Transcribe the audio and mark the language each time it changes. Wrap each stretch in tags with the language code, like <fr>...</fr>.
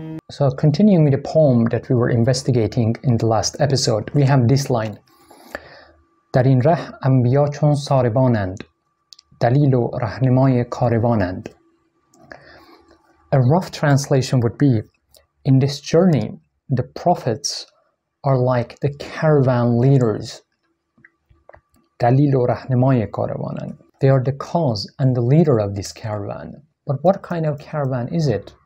<en>So continuing with the poem that we were investigating in the last episode, we have this line.</en> <fa>در این ره انبیا چون ساربانند دلیل و رهنمای کاروانند.</fa> <en>A rough translation would be, in this journey, the prophets are like the caravan leaders.</en> <fa>دلیل و رهنمای کاروانند.</fa> <en>They are the cause and the leader of this caravan. But what kind of caravan is it?</en>